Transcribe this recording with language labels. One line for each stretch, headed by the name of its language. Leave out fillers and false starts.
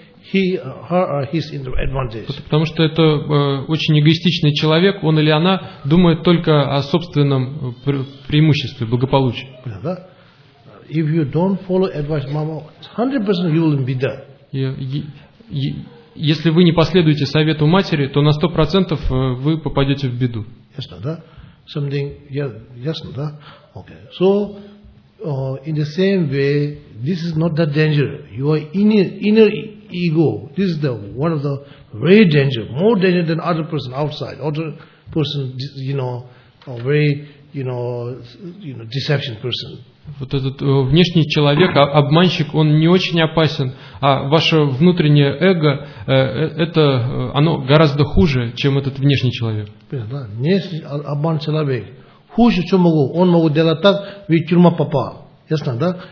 Russian: Потому что это очень эгоистичный человек, он или она думает только о собственном преимуществе, благополучии. Если вы не последуете совету матери, то на 100% вы попадете в беду.
English: Something, yeah, yes, no, okay. So, in the same way, this is not that danger. Your inner ego, this is the one of the very danger, more danger than other person outside, other person, you know, a very, you know, deception person.
Russian: Вот этот внешний человек, обманщик, он не очень опасен, а ваше внутреннее эго, это, оно гораздо хуже, чем этот внешний человек. Внешний обман человек, хуже, чем могу, он могу делать так, ведь тюрьма попал, ясно, да?